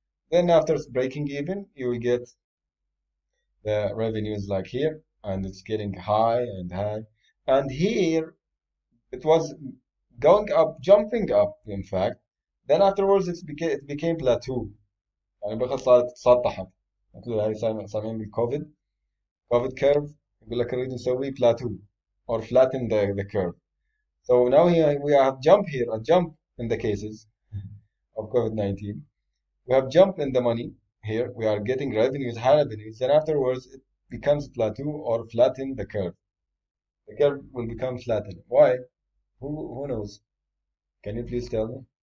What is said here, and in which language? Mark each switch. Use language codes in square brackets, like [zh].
[en] Then after breaking even, you will get the revenues like here, and it's getting high and high, and here. It was going up, jumping up, in fact. Then afterwards, it became plateau. [ar] يعني بخلص صار مثل هاي سامعين بالكوفيد، كوفيد كيرف، يقول لك نريد نسوي بلاتو [en] or flatten the curve. So now we have jump here, a jump in the cases of COVID-19. We have jump in the money here. We are getting revenues, high revenues. Then afterwards, it becomes plateau or flatten the curve. The curve will become flattened. Why? Who knows? Can you please tell me?